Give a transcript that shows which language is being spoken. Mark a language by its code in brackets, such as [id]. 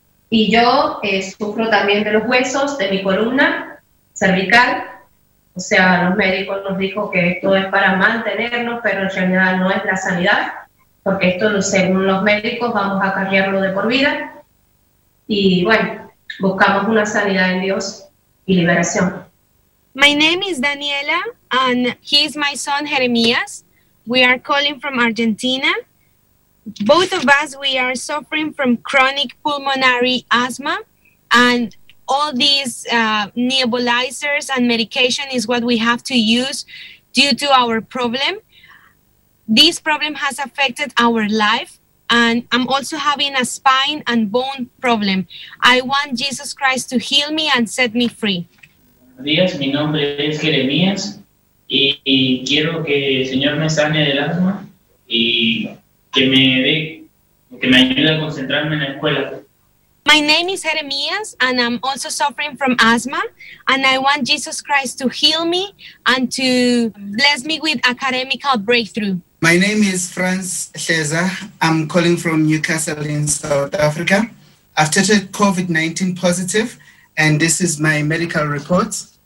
[es] Y yo sufro también de los huesos, de mi columna cervical. O sea, los médicos nos dijo que esto es para mantenernos, pero en realidad no es la sanidad, porque esto, según los médicos, vamos a cargarlo de por vida. Y bueno, buscamos una sanidad en Dios y liberación. [en] My name is Daniela, and he's my son, Jeremias. We are calling from Argentina. Both of us, we are suffering from chronic pulmonary asthma, and all these nebulizers and medication is what we have to use due to our problem. This problem has affected our life, and I'm also having a spine and bone problem. I want Jesus Christ to heal me and set me free. [es] Buenos días, mi nombre es Jeremías y quiero que el Señor me sane del asma y que me dé, que me ayude a concentrarme en la escuela. [en] My name is Jeremías and I'm also suffering from asthma and I want Jesus Christ to heal me and to bless me with academical breakthrough. My name is Franz Schleser. I'm calling from Newcastle in South Africa. I've tested COVID-19 positive. And this is my medical report.